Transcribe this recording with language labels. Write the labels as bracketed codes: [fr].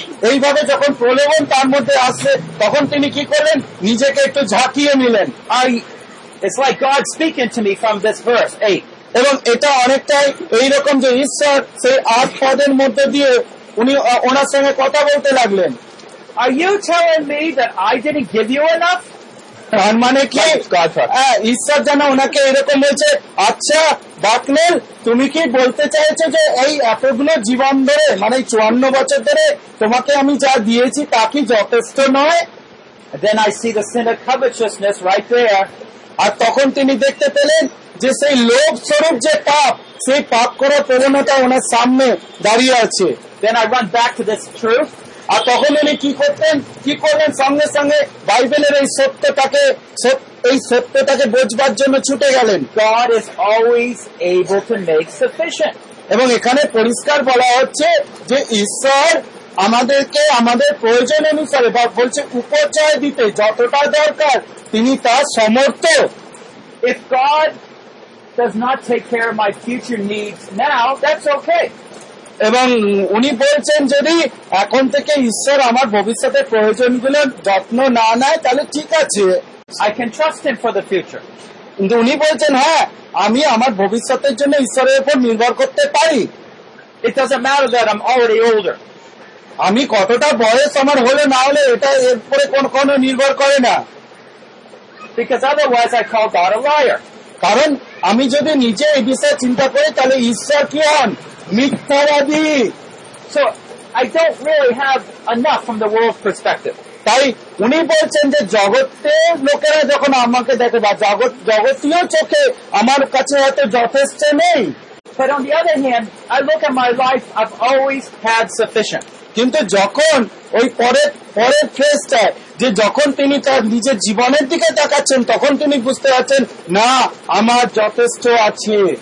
[bn] এইভাবে যখন প্রলোভন তার মধ্যে আসছে তখন তিনি কি করলেন নিজেকে একটু ঝাঁকিয়ে নিলেন. [en] I it's like God speaking to me from this verse 8. [bn] এবং এটা অনেকটাই এইরকম যে ঈশ্বর সেই আট পদের মধ্যে দিয়ে উনি ওনার সঙ্গে কথা বলতে লাগলেন. [en] Are you telling me that I didn't give you enough? [bn] তার মানে কি [en] God [bn] ঈশ্বর জানা ওনাকে এরকম বলছে আচ্ছা বাকলেল তুমি কি বলতে চাইছো যে এই এতগুলো জীবন ধরে মানে 54 বছর ধরে তোমাকে আমি যা দিয়েছি তা কি যথেষ্ট নয়? [en] Then I see the sin of covetousness right there. [bn] আর তখন তিনি দেখতে পেলেন যে সেই লোভ স্বরূপ যে পাপ সেই পাপ করার প্রবণতা ওনার সামনে দাঁড়িয়ে আছে. [en] Then I went back to this truth. [bn] আর তখন উনি কি করতেন কি করলেন সঙ্গে সঙ্গে বাইবেলের এই সত্যটাকে এই সত্যটাকে বোঝবার জন্য ছুটে গেলেন. [en] God is always able to make sufficient. [bn] এবং এখানে পরিষ্কার বলা হচ্ছে যে ঈশ্বর আমাদেরকে আমাদের প্রয়োজন অনুসারে বা বলছে উপচয় দিতে যতটা দরকার তিনি তার সমর্থ. [en] If God does not take care of my future needs now, that's okay. [bn] এবং উনি বলছেন যদি এখন থেকে ঈশ্বর আমার ভবিষ্যতের প্রয়োজন গুলো যত্ন না নেয় তাহলে ঠিক আছে. [en] I can trust him for the future. [bn] কিন্তু উনি বলছেন হ্যাঁ আমি আমার ভবিষ্যতের জন্য ঈশ্বরের উপর নির্ভর করতে পারি. [en] It doesn't matter that I'm already older. [bn] আমি কতটা বয়স আমার হলে না হলে এটা এর উপরে কোন নির্ভর করে না. [en] Because otherwise I call God a liar. [bn] কারণ আমি যদি নিজে এই বিষয়ে চিন্তা করি তাহলে ঈশ্বর কি হন মিথ্যাবাদী. [en] So I don't really have enough from the world's perspective. [bn] তাই উনি বলছেন যে জগতের লোকেরা যখন আমাকে দেখে বা জগতীয় চোখে আমার কাছে এত যথেষ্ট নেই. [en] But on the other hand, I look at my life, I've always had sufficient. [bn] কিন্তু যখন ওই পরের ফেজটায় যে যখন তিনি তার নিজের জীবনের দিকে তাকাচ্ছেন তখন তিনি বুঝতে পারছেন না আমার যথেষ্ট আছে.